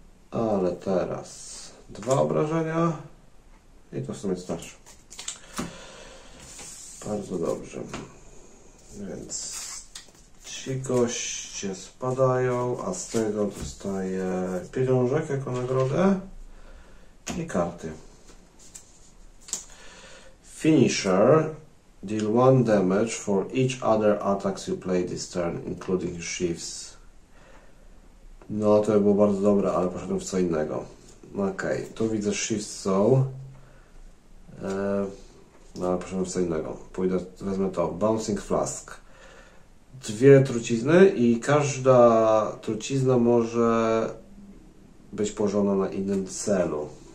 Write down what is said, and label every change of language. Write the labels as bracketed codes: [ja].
[pl] Ale teraz dwa obrażenia i to w sumie starszy. Bardzo dobrze. Więc ci goście spadają, a z tego dostaję pieniążek jako nagrodę i karty. [en] Finisher, deal one damage for each other attacks you play this turn, including shifts. [pl] No, to by było bardzo dobre, ale poszedłem w co innego. Okej, okay, tu widzę shifts są. No, ale poszedłem w co innego. Pójdę, wezmę to. Bouncing Flask. Dwie trucizny i każda trucizna może być położona na innym celu.